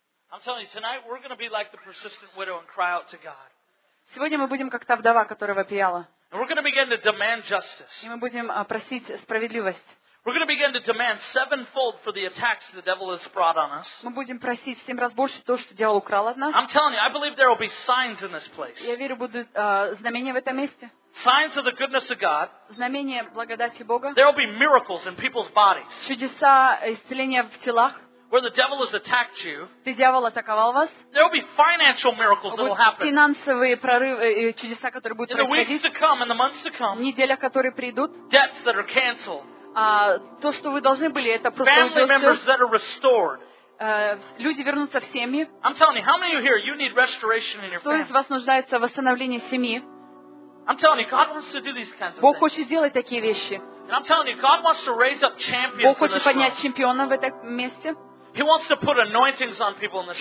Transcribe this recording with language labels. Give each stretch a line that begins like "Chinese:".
English: I'm telling you, tonight we're going to be like the persistent widow and cry out to God.
Russian: Сегодня мы будем как та вдова, которая вопияла.
English: And we're going to begin to demand justice.
Russian: И мы будем просить справедливость.
English: We're going to begin to demand sevenfold for the attacks the devil has brought on us.
Russian: Мы будем просить в 7 раз больше то, что дьявол украл от нас.
English: I'm telling you, I believe there will be signs in this place.
Russian: Я верю, будут знамения в этом месте.
English: Signs of the goodness of God.
Russian: Знамения благодати Бога.
English: There will be miracles in people's bodies.
Russian: Чудеса исцеления в телах.
English: where the devil has attacked you,
Russian: ты дьявол атаковал вас,
English: there will be financial miracles that will happen.
Russian: Финансовые прорывы, чудеса, которые будут происходить.
English: In the weeks to come, in the months to come.
Russian: В неделях, которые придут.
English: Debts that are canceled.
Russian: То, что вы должны были, это просто уйдет.
English: Family members that are restored.
Russian: Люди вернутся в семьи.
English: I'm telling you, how many of you here, you need restoration in your family?
Russian: Кто из вас нуждается в восстановлении семьи?
English: I'm telling you, God wants to do these kinds of things.
Russian: Бог хочет сделать такие вещи.
English: And I'm telling you, God wants to raise up champions.
Russian: Бог хочет поднять чемпионов в этом месте.
English: He wants to put anointings on people in this